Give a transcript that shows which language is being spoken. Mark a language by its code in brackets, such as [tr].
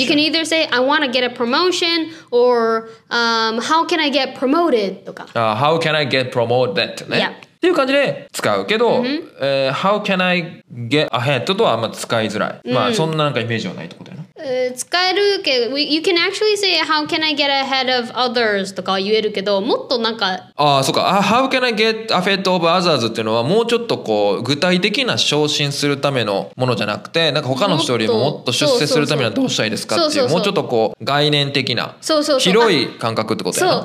[en] You can either say I want to get a promotion or、how can I get promotion How can I get promoted? [ja] ね、 [en] yeah. [ja] っていう感じで使うけど、 mm-hmm. [en] How can I get ahead? [ja] とはあんま使いづらい。 Mm-hmm. まあそんななんかイメージはないってことやな。使えるけど、 [en] You can actually say How can I get ahead of others? [ja] とか言えるけど、もっとなんか、ああ、そうか。 [en] How can I get ahead of others? [ja] っていうのはもうちょっとこう具体的な昇進するためのものじゃなくて、なんか他の人よりももっと出世するためにはどうしたいですかっていう、そうそうそう、もうちょっとこう概念的な、そうそうそう、広い感覚ってことやな。